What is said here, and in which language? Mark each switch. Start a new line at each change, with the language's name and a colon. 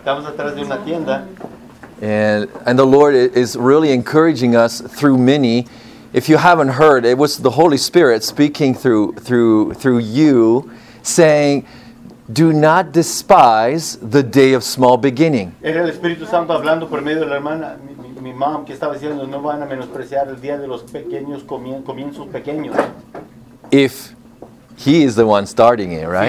Spanish: Estamos atrás de una tienda.
English: And the Lord is really encouraging us through many. If you haven't heard, it was the Holy Spirit speaking through you, saying, "Do not despise the day of small beginning."
Spanish: Era el Espíritu Santo hablando por medio de la hermana, mi mom, que estaba diciendo, no van a menospreciar el día de los pequeños comienzos pequeños.
English: If he is the one starting it, right?